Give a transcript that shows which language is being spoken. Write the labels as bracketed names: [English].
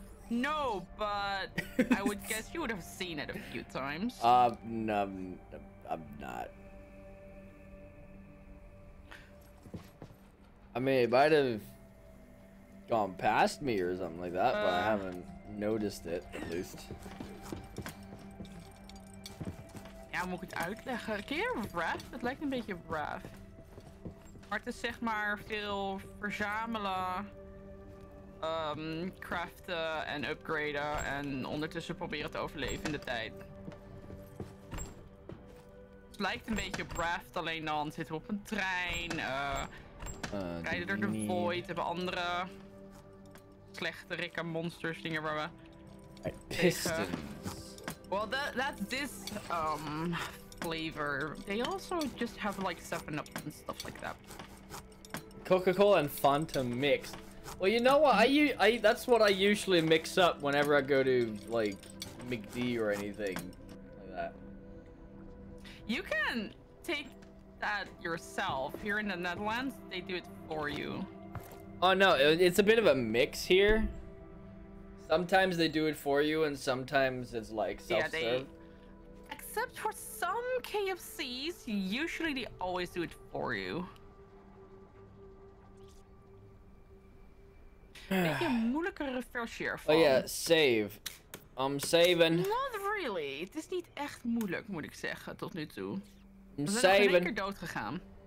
[English] No, but I would guess you would have seen it a few times. No, I'm not. I mean, it might have gone past me or something like that, but I haven't noticed it, at least. [Dutch] Ja, moet ik het uitleggen? Ken je Wrath? Het lijkt een beetje Wrath. Maar het is zeg maar veel verzamelen, craften en upgraden en ondertussen proberen te overleven in de tijd. Het lijkt een beetje Wrath, alleen dan zitten we op een trein, rijden door de void, hebben andere slechte rikken monsters dingen waar we [English] pistons. Well, that's this flavor. They also just have like 7-Up and stuff like that. Coca-Cola and Fanta mixed. Well, you know what? That's what I usually mix up whenever I go to like McD or anything like that. You can take that yourself. Here in the Netherlands, they do it for you. Oh no, it's a bit of a mix here. Sometimes they do it for you, and sometimes it's like self-serve. Yeah, except for some KFCs, usually they always do it for you. Make a [Dutch] moeilijkere versie ervan. [English] Oh yeah, save. I'm saving. Not really. It is [Dutch] niet echt moeilijk, moet ik zeggen, tot nu toe. [English] I'm We saving. [Dutch] Zijn één keer dood gegaan.